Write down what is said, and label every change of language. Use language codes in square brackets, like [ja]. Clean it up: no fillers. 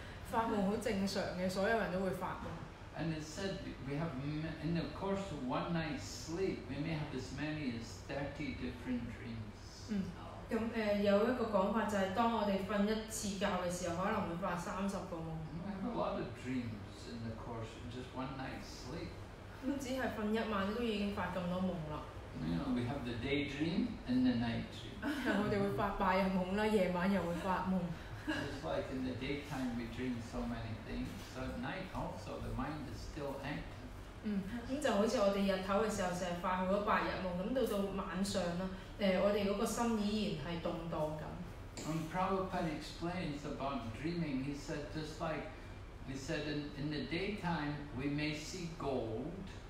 [yue] 發夢好正常嘅，所有人都會發夢。 [en] And it said we have in the course of one night's sleep, we may have as many as 30 different dreams. [yue] 咁有一個講法就係當我哋瞓一次覺嘅時候，可能會發30個夢。 [en] I have a lot of dreams in the course of just one night's sleep. [yue] 都只係瞓一晚都已經發咁多夢啦。 [en] You know, we have the daydream and the night dream. [yue] 我哋會發白日夢啦，夜晚又會發夢。 [en] Just like in the daytime we dream so many things, so at night also the mind is still active. [yue] 咁就好似我哋日頭嘅時候成日發好多白日夢，咁到晚上啦，我哋嗰個心依然係動盪緊。 [en] When Prabhupada explains about dreaming, he said just like. He said, in the daytime, we may see gold,